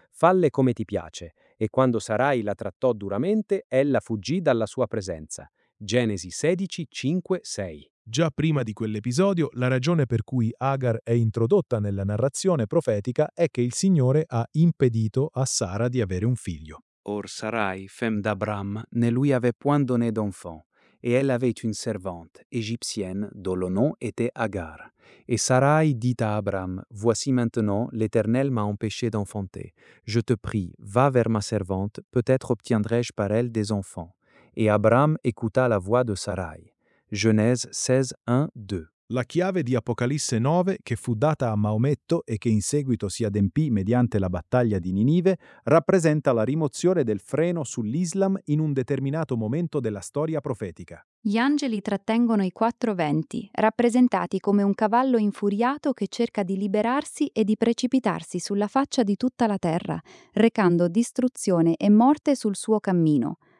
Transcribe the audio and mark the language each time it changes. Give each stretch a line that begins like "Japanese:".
Italian: Falle come ti piace». E quando Sarai la trattò duramente, ella fuggì dalla sua presenza. Genesi 16:5-6. Già prima di quell'episodio, la ragione per cui Agar è introdotta nella narrazione profetica è che il Signore ha impedito a Sara di avere un figlio.
French: Or Sarai, femme d'Abram, ne lui avait point donné d'enfant, et elle avait une servante, égyptienne, dont le nom était Agar. Et Sarai dit à Abram, « Voici maintenant, l'Éternel m'a empêché d'enfanter. Je te prie, va vers ma servante, peut-être obtiendrai-je par elle des enfants. » Et Abram écouta la voix de Sarai. Genèse 16:1-2.
Italian: La chiave di Apocalisse 9, che fu data a Maometto e che in seguito si adempì mediante la battaglia di Ninive, rappresenta la rimozione del freno sull'Islam in un determinato momento della storia profetica. Gli angeli trattengono i 4 venti, rappresentati come un cavallo infuriato che cerca di liberarsi e di precipitarsi sulla faccia di tutta la terra, recando distruzione e morte sul suo cammino.